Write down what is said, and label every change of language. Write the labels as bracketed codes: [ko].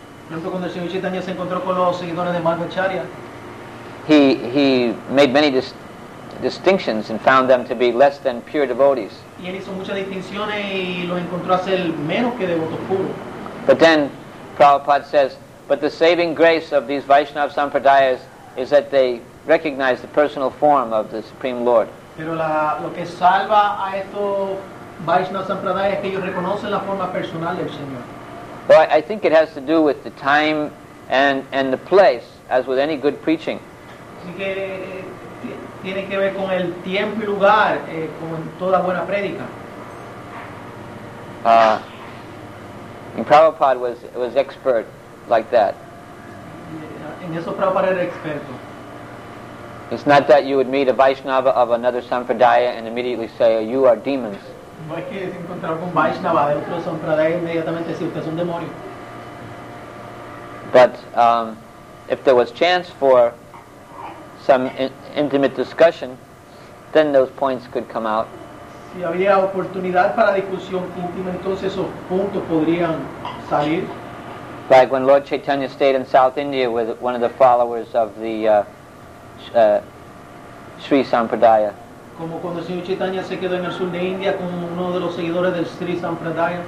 [es] cuando el Señor Chaitanya se encontró con los seguidores de Madhvacharya, [en] he made many distinctions and found them to be less than pure devotees. [es] Y él hizo muchas distinciones y los encontró a ser menos que devotos puros. [en] But then Prabhupada says, but the saving grace of these Vaishnava Sampradayas is that they recognize the personal form of the Supreme Lord. [es] Pero lo que salva a estos Vaishnava Sampradayas es que ellos reconocen la forma personal del Señor. [en] Well, I think it has to do with the time and the place, as with any good preaching. [es] Así que tiene que ver con el tiempo y lugar, como en toda buena prédica. [en] And Prabhupada was expert like that. [es] En eso Prabhupada era experto. [en] It's not that you would meet a Vaishnava of another Sampradaya and immediately say, oh, you are demons. [es] No es que se encontrar con Vaishnava de otro Sampradaya inmediatamente si usted es un demonio. [en] But if there was chance for some intimate discussion, then those points could come out. [es] Si había oportunidad para discusión íntima, entonces esos puntos podrían salir. [en] Like when Lord Chaitanya stayed in South India with one of the followers of the Sri Sampradaya. [es] Como cuando el señor Chaitanya se quedó en el sur de India con uno de los seguidores del Sri Sampradaya.